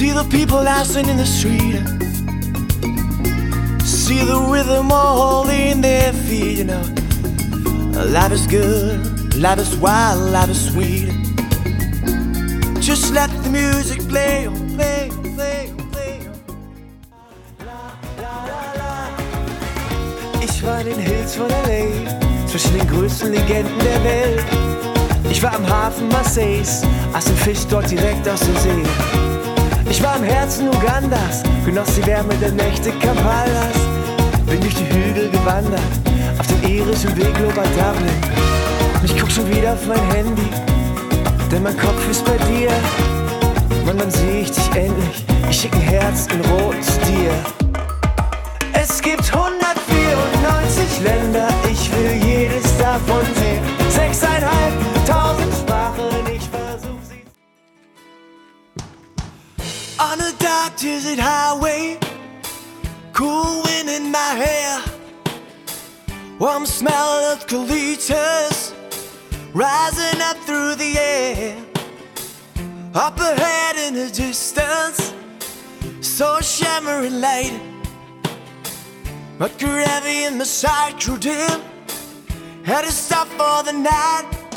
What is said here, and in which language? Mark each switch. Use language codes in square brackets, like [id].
[en] People dancing in the street, see the rhythm holding their feet. You know, life is good, life is wild, life is sweet. Just let the music play, play, play, play. [de] Ich war in den Hills von LA, zwischen den größten Legenden der Welt. Ich war am Hafen Marseilles, aß den Fisch dort direkt aus dem See. Ich war im Herzen Ugandas, genoss die Wärme der Nächte Kampalas. Bin durch die Hügel gewandert, auf dem irischen Weg über Dublin. Und ich guck schon wieder auf mein Handy, denn mein Kopf ist bei dir. Mann, dann seh ich dich endlich, ich schick ein Herz in Rot zu dir. Es gibt 194 Länder, ich will jedes davon sehen. 6.500 Sprachen, ich versuch sie. [en] On a dark desert highway, cool wind in my hair, warm smell of colitas rising up through the air. Up ahead in the distance, so shimmering light, mercury heavy in the sight, too dim, had to stop for the night.